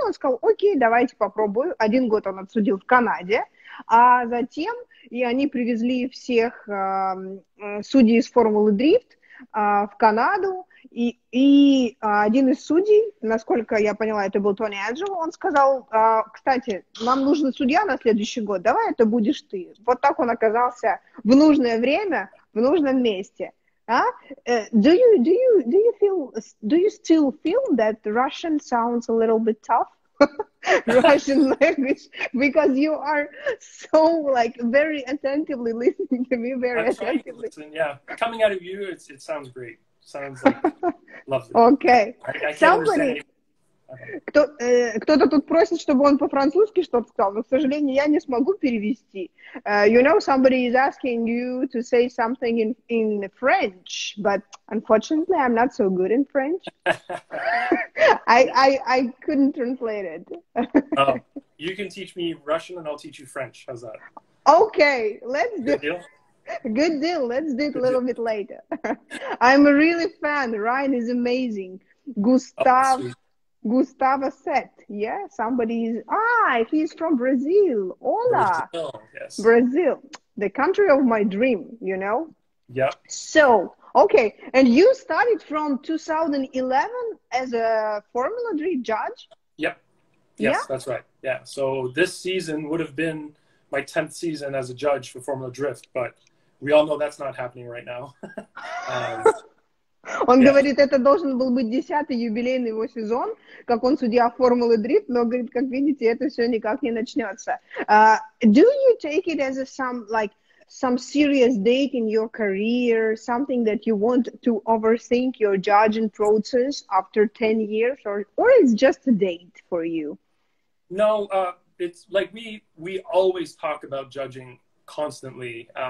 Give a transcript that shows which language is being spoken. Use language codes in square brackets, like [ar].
[ru] Он сказал, окей, давайте попробую. Один год он отсудил в Канаде, а затем и они привезли всех судей из Формулы Дрифт в Канаду, и один из судей, насколько я поняла, это был Тони Анджело, он сказал, кстати, нам нужен судья на следующий год, давай это будешь ты. Вот так он оказался в нужное время, в нужном месте. [en] Do you still feel that Russian sounds a little bit tough? Russian language, because you are so, like, very attentively listening to me, very attentively. Listen, yeah, coming out of you, it sounds great. Sounds like, lovely. Okay. Somebody. [ru] Кто-то тут просит, чтобы он по-французски что-то сказал, но, к сожалению, я не смогу перевести. [en] You know, somebody is asking you to say something in French, but unfortunately, I'm not so good in French. I couldn't translate it. You can teach me Russian and I'll teach you French. How's that? Okay, let's good do deal. Good deal. Let's do it a little bit later. I'm a really fan. Ryan is amazing. Gustav. Oh, Gustavo Set, yeah, somebody is, he's from Brazil, hola, Brazil, the country of my dream, you know? Yeah. So, okay, and you started from 2011 as a Formula Drift judge? Yep, yes, yeah? That's right, yeah, so this season would have been my 10th season as a judge for Formula Drift, but we all know that's not happening right now. [ru] Он [en] yes. [ru] говорит, это должен был быть 10-й юбилейный его сезон, как он судья Формулы Дрифт, но, говорит, как видите, это все никак не начнется. [en] Do you take it as some serious date in your career, something that you want to overthink your judging process after 10 years, or it's just a date for you? No, it's like we always talk about judging constantly.